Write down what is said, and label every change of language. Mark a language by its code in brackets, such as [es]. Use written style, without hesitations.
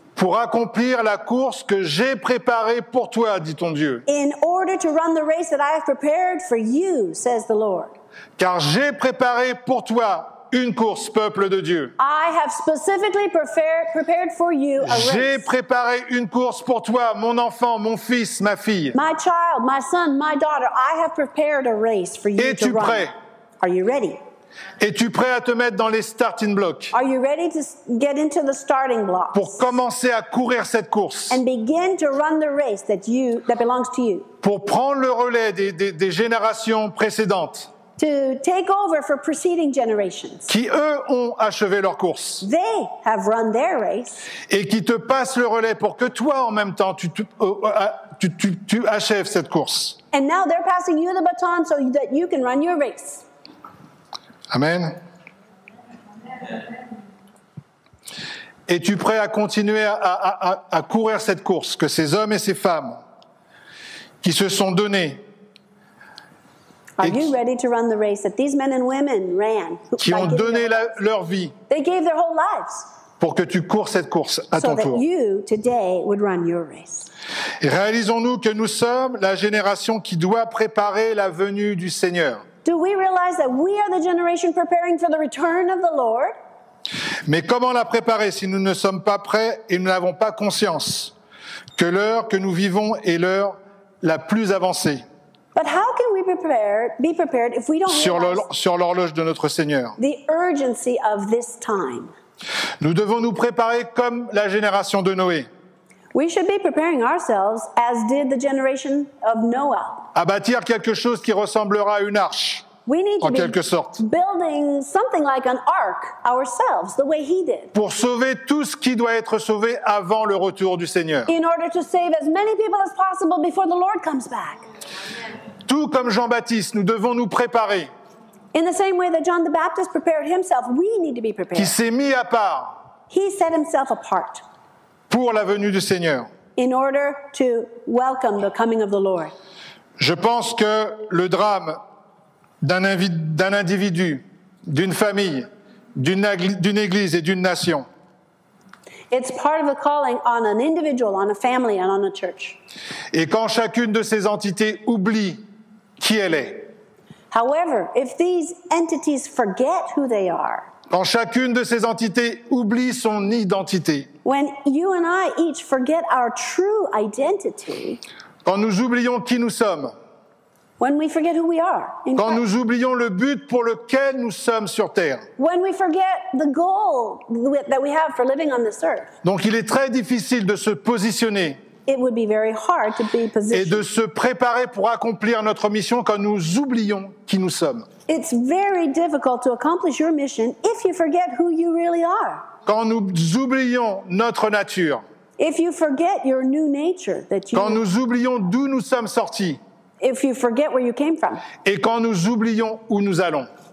[fr] Pour accomplir la course que j'ai préparée pour toi, dit ton Dieu. [en] In order to run the race that I have prepared for you, says the Lord. [fr] Car j'ai préparé pour toi une course, peuple de Dieu. [en] I have specifically prepared for you a race. [fr] J'ai préparé une course pour toi, mon enfant, mon fils, ma fille. [en] My child, my son, my daughter, I have prepared a race for you. [fr] Es-tu [en] to run. [fr] Prêt? [en] Are you ready? [fr] Es-tu prêt à te mettre dans les starting blocks? [en] Are you ready to get into the starting blocks? [fr] Pour commencer à courir cette course. [en] And begin to run the race that belongs to you. [fr] Pour prendre le relais des générations précédentes. [en] To take over for preceding generations. [fr] Qui eux ont achevé leur course. [en] They have run their race. [fr] Et qui te passent le relais pour que toi en même temps tu achèves cette course. [en] And now they're passing you the baton so that you can run your race. [fr] Amen. Es-tu prêt à continuer à courir cette course que ces hommes et ces femmes qui se sont donnés? [en] Are you ready to run the race that these men and women ran? [fr] Qui ont donné leur vie. [en] They gave their whole lives. [fr] Pour que tu cours cette course à ton tour. [en] So that you today would run your race. [fr] Réalisons-nous que nous sommes la génération qui doit préparer la venue du Seigneur. [en] Do we realize that we are the generation preparing for the return of the Lord? [fr] Mais comment la préparer si nous ne sommes pas prêts et nous n'avons pas conscience que l'heure que nous vivons est l'heure la plus avancée? [en] But how can we be prepared if we don't [fr] sur l'horloge de notre Seigneur? [en] The urgency of this time. [fr] Nous devons nous préparer comme la génération de Noé. [en] We should be preparing ourselves as did the generation of Noah. [fr] À bâtir quelque chose qui ressemblera à une arche, [en] we need to [fr] en quelque sorte. [en] Building something like an ark ourselves, the way he did. [fr] Pour sauver tout ce qui doit être sauvé avant le retour du Seigneur. [en] In order to save as many people as possible before the Lord comes back. [fr] Tout comme Jean-Baptiste, nous devons nous préparer. [en] In the same way that John the Baptist prepared himself, we need to be prepared. [fr] Qui s'est mis à part. [en] He set himself apart. [fr] Pour la venue du Seigneur. [en] In order to welcome the coming of the Lord. [fr] Je pense que le drame d'un individu, d'une famille, d'une église et d'une nation. [en] It's part of the calling on an individual, on a family, and on a church. [fr] Et quand chacune de ces entités oublie qui elle est. [en] However, if these entities forget who they are. [fr] Quand chacune de ces entités oublie son identité. [en] When you and I each forget our true identity. [fr] Quand nous oublions qui nous sommes. [en] When we forget who we are. [fr] Quand nous oublions le but pour lequel nous sommes sur terre. [en] When we forget the goal that we have for living on this earth. [fr] Donc il est très difficile de se positionner. [en] It would be very hard to be positioned. [fr] Et de se préparer pour accomplir notre mission quand nous oublions qui nous sommes. [en] It's very difficult to accomplish your mission if you forget who you really are. [fr] Quand nous oublions notre nature. [en] If you forget your new nature that you. [fr] Quand nous oublions d'où nous sommes sortis. [en] If you forget where you came from. [fr] Et quand nous oublions où nous allons.